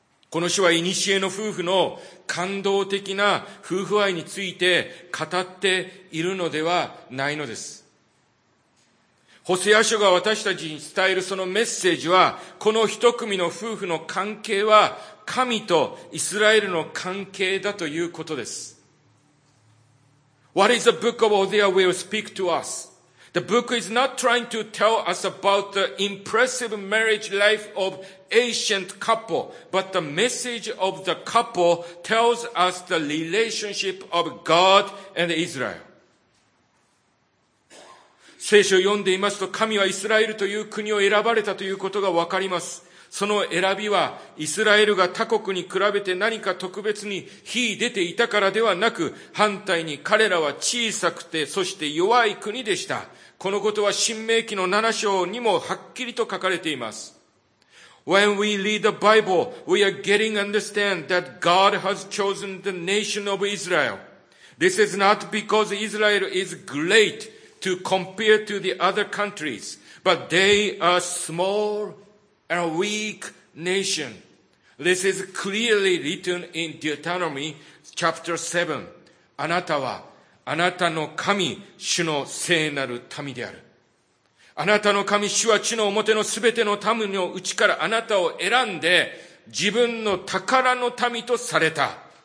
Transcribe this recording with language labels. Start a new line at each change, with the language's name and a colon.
Japanese: この書は古の夫婦の感動的な夫婦愛について語っているのではないのです。ホセア書が私たちに伝えるそのメッセージは、この一組の夫婦の関係は神とイスラエルの関係だということです。
English: What is the book of Hosea will speak to us? The book is not trying to tell us about the impressive marriage life of ancient couple, but the message of the couple tells us the relationship of God and Israel.
Japanese: 聖書を読んでいますと、神はイスラエルという国を選ばれたということがわかります。その選びは、イスラエルが他国に比べて何か特別に秀でていたからではなく、反対に彼らは小さくて、そして弱い国でした。このことは申命記の7章にもはっきりと書かれています。
English: When we read the Bible, we are getting understand that God has chosen the nation of Israel. This is not because Israel is great. To compare to the other countries, but they are small and weak nation. This is clearly written in Deuteronomy chapter 7.
Japanese: あなたは、あなたの神、主の聖なる民である。あなたの神、主は地の表のすべての民のうちからあなたを選んで、自分の宝の民とされた。